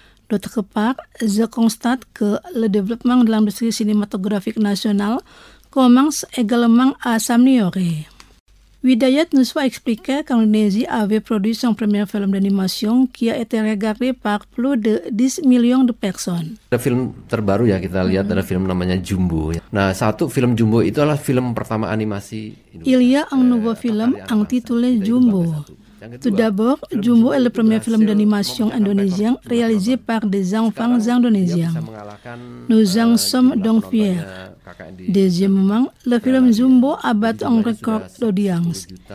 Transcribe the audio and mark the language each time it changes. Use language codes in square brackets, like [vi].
[fr] D'autre part, je constate que le développement de l'industrie cinématographique nationale commence également à s'améliorer. Widayat Nuswa expliquait qu'Indonésie avait produit son premier film d'animation qui a été regardé par plus de 10 millions de personnes. Le film [id] terbaru ya kita lihat adalah film namanya Jumbo. Nah, satu film Jumbo itu adalah film pertama animasi Indonesia. [fr] Il y a un nouveau film intitulé Jumbo. Tout d'abord, Jumbo est le premier film d'animation indonésien réalisé par des enfants indonésiens. Nous en sommes donc fiers. Deuxièmement, le film Jumbo a battu un record d'audience.